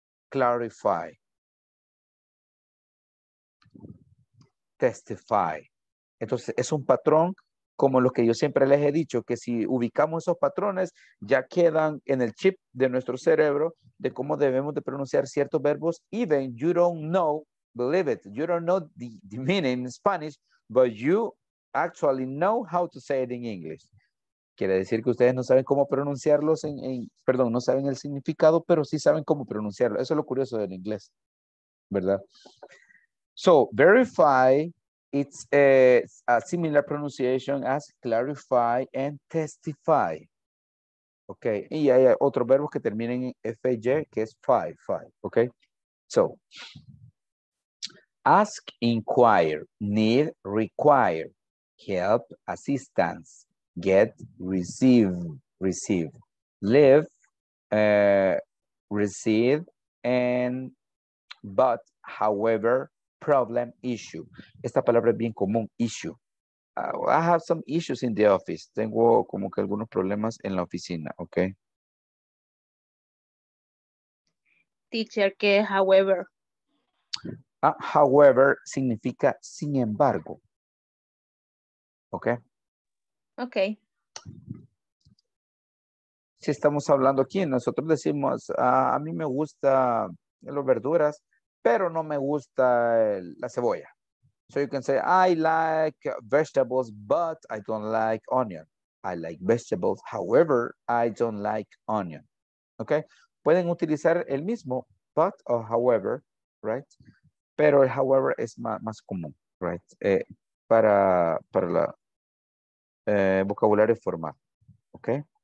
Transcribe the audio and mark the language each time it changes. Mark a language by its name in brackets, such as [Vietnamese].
[English] Clarify. Testify. [Spanish] Entonces, es un patrón como lo que yo siempre les he dicho, que si ubicamos esos patrones, ya quedan en el chip de nuestro cerebro de cómo debemos de pronunciar ciertos verbos. [English] Even you don't know, believe it, you don't know the meaning in Spanish, but you actually know how to say it in English. [Spanish] Quiere decir que ustedes no saben cómo pronunciarlos no saben el significado, pero sí saben cómo pronunciarlo. Eso es lo curioso del inglés, ¿verdad? [English] So, verify, it's a similar pronunciation as clarify and testify. [Spanish] Okay, y hay otros verbos que terminan en F-Y, que es five, okay? [English] So, ask, inquire, need, require, help, assistance, get, receive, live, receive, and but, however, problem, issue. [Spanish] Esta palabra es bien común, [English] issue. I have some issues in the office. [Spanish] Tengo como que algunos problemas en la oficina, ok. Teacher, que however. However significa sin embargo. Ok. [English] Ok. [Spanish] Si estamos hablando aquí, nosotros decimos, a mí me gusta las verduras, pero no me gusta la cebolla. [English] So you can say, I like vegetables, but I don't like onion. I like vegetables, however, I don't like onion. [Spanish] Okay? Pueden utilizar el mismo, but or however, right? Pero el however es más común, right? Para la vocabulario formal, okay?